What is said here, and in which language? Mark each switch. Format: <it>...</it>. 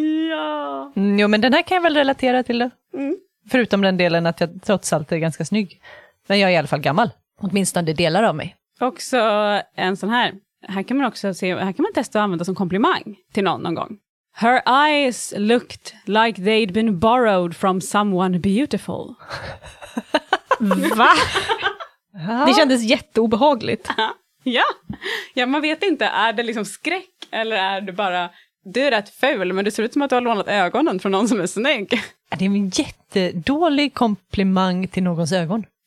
<sv>Ja. Jo, men den här kan jag väl relatera till då. Förutom den delen att jag trots allt är ganska snygg. Men jag är i alla fall gammal. Åtminstone delar av mig. Också en sån här. Här kan man också se, här kan man testa att använda som komplimang till någon gång.</sv> <en>Her eyes looked like they'd been borrowed from someone beautiful.</en> <sv>Va? Det kändes jätteobehagligt. Ja. Ja, man vet inte. Är det liksom skräck eller är det bara... Du är rätt ful, men det ser ut som att du har lånat ögonen från någon som är snygg. Det är en jättedålig komplimang till någons ögon.</sv>